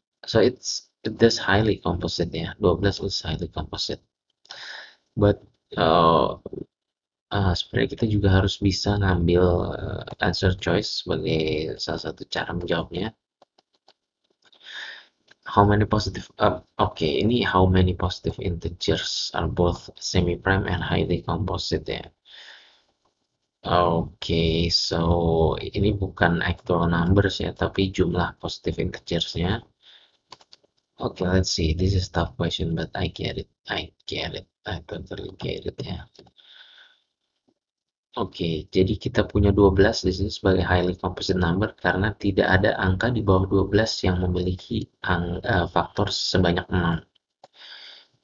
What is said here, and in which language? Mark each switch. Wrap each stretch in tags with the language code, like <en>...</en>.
<en>So it's highly composite ya. 12 is highly composite.</en> <id>But sebenarnya kita juga harus bisa ngambil answer choice sebagai salah satu cara menjawabnya.</id> <en>How many positive okay, ini how many positive integers are both semi prime and highly composite ya. Okay, so</en> <id>ini bukan</id> <en>actual numbers ya,</en> <id>tapi jumlah</id> <en>positive integersnya. Okay, let's see. This is a tough question, but I get it. I get it. I totally get it ya.</en> <id>Okay, jadi kita punya 12 di sini sebagai highly composite number karena tidak ada angka di bawah 12 yang memiliki faktor sebanyak 6.</id>